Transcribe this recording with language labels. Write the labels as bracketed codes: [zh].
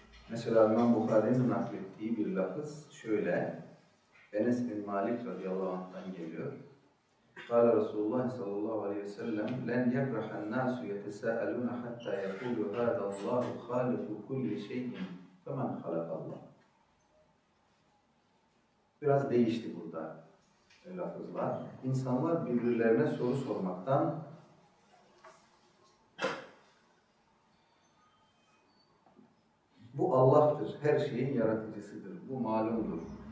[tr] Mesela İmam Bukhari'nin naklettiği bir lafız şöyle, Enes bin Malik radıyallahu anh'tan geliyor. [ar] قال رسول الله صلى الله عليه وسلم لن يبرح الناس يتساءلون حتى يقول هذا الله خالق كل شيء فمن خلق الله. [tr] Biraz değişti burada lafızlar. İnsanlar birbirlerine soru sormaktan bu Allah'tır, her şeyin yaratıcısıdır, bu malumdur.